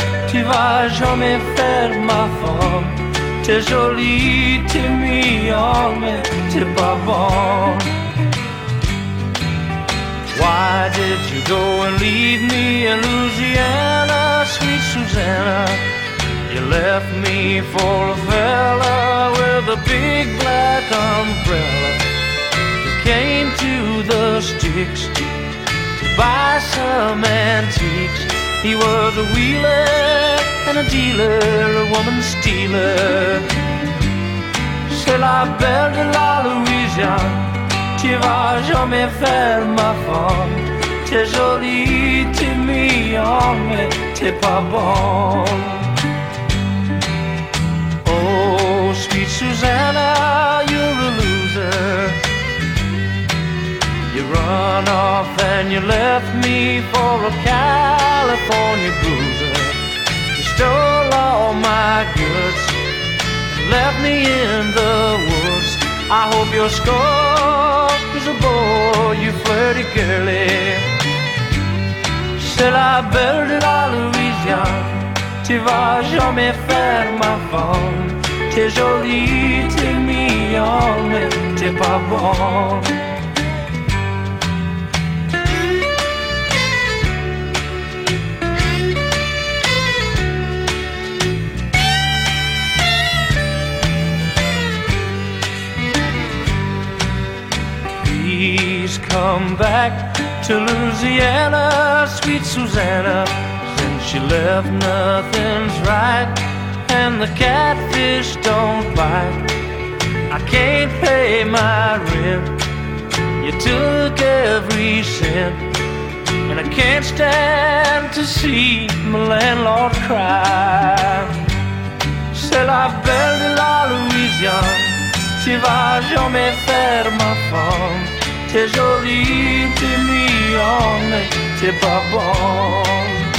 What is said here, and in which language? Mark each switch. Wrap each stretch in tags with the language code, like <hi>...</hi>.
<fr>Tu vas jamais faire ma femme. T'es jolie, t'es mignon, mais t'es pas bon.</fr> <en>Why did you go and leave me in Louisiana, sweet Susanna? You left me for a fella with a big black umbrella. You came to the sticks to buy some antiques. He was a wheeler and a dealer, a woman stealer.</en> <fr>C'est la belle de la Louisiane. Tu vas jamais faire ma femme. T'es jolie, t'es mignon, mais t'es pas bon.</fr> <en>Oh, sweet Susanna, you're a loser. You run off and you left me for a California bruiser. You stole all my goods and left me in the woods. I hope your score is a bore, you flirty girly.</en> <fr>C'est la belle de la Louisiane. Tu vas jamais faire ma femme. T'es jolie, t'es mignon, mais t'es pas bon.</fr> <en>Please come back to Louisiana, sweet Susanna. Since she left, nothing's right, and the catfish don't bite. I can't pay my rent, you took every cent, and I can't stand to see my landlord cry.</en> <fr>C'est la belle de la Louisiane. Tu vas jamais faire ma femme. T'es jolie, t'es mignonne, mais t'es pas bonne.</fr>